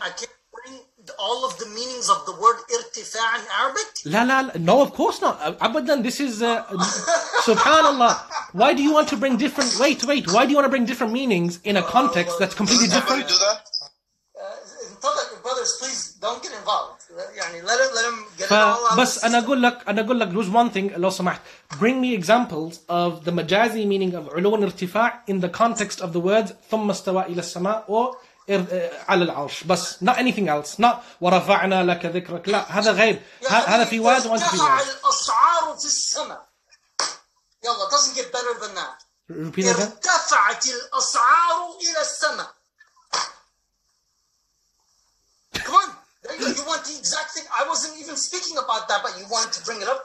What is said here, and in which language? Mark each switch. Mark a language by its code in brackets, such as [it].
[en] I can't bring all of the meanings of the word ارتفاع in Arabic. لا. No, of course not. Abadan, this is. Subhanallah. Why do you want to bring different... Wait. Why do you want to bring different meanings in a context that's completely different? Does anybody do that? Brothers, please, don't get involved. Let him get it all out. [ar] بس أنا أقول لك, [en] there's one thing, [ar] لو سمحت. [en] Bring me examples of the majazi meaning of علو ارتفاع in the context of the words [ar] ثم استوى إلى السماء [en] or [ar] على العرش. [en] بس, not anything else. Not [ar] ورفعنا لك ذكرك. لا, هذا غير. هذا في واد وانت في واد. ارتفع الأسعار في السماء. [en] Yalla, doesn't get better than that. Repeat again. [ar] ارتفعت الأسعار إلى السماء. [en] Come on. You want the exact thing. I wasn't even speaking about that, but you wanted to bring it up.